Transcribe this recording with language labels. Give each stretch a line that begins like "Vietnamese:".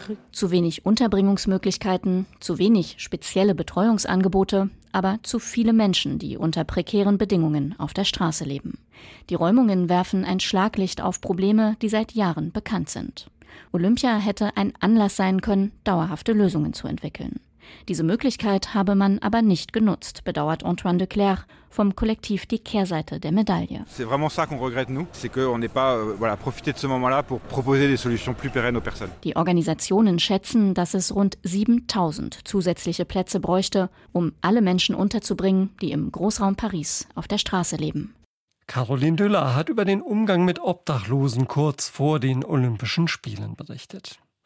German: Zu wenig Unterbringungsmöglichkeiten, zu wenig spezielle Betreuungsangebote, aber zu viele Menschen, die unter prekären Bedingungen auf der Straße leben. Die Räumungen werfen ein Schlaglicht auf Probleme, die seit Jahren bekannt sind. Olympia hätte ein Anlass sein können, dauerhafte Lösungen zu entwickeln. Diese Möglichkeit habe man aber nicht genutzt, bedauert Antoine de Clercq vom Kollektiv Die Kehrseite der Medaille.
French: C'est vraiment ça qu'on regrette nous, c'est qu'on n'est pas profité de ce moment-là pour proposer des solutions plus pérennes aux personnes.
German: Die Organisationen schätzen, dass es rund 7.000 zusätzliche Plätze bräuchte, um alle Menschen unterzubringen, die im Großraum Paris auf der Straße leben. Caroline Düller hat über den Umgang mit Obdachlosen kurz vor den Olympischen Spielen berichtet.